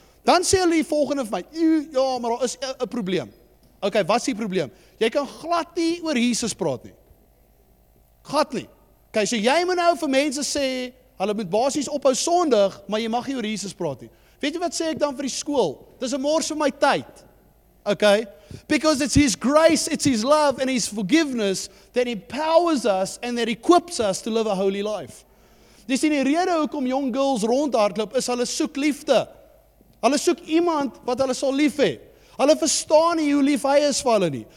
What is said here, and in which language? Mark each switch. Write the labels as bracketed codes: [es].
[af] Dan sê hulle die volgende vir my, ja, maar daar is 'n probleem. Ok, wat is die probleem? Jy kan glad nie oor Jesus praat nie. Glad nie. Ok, so jy moet nou vir mense sê, hulle moet basies ophou sondig, maar jy mag nie oor Jesus praat nie. Weet jy wat sê ek dan vir die skool? Dis 'n mors vir my tyd. [en] Ok, because it's his grace, it's his love and his forgiveness that empowers us and that equips us to live a holy life. [af] Dis in die rede hoekom jong girls rondhardloop, is hulle soek liefde. Hulle soek iemand wat hulle sal lief hê. Hulle verstaan nie hoe lief hy is vir hulle nie.